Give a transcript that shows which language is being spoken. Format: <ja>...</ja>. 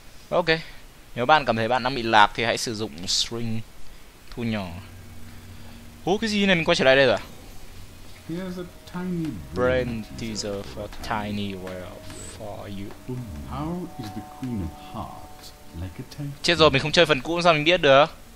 <vi>Ok, nếu bạn cảm thấy bạn đang bị lạc thì hãy sử dụng string thu nhỏ. Ủa cái gì này, mình quay trở lại đây rồi à?</vi> <en>Here's a tiny brain teaser for tiny world for you. How is the queen of hearts like a tank?</en> <vi>Chết rồi, mình không chơi phần cũ sao mình biết được?</vi>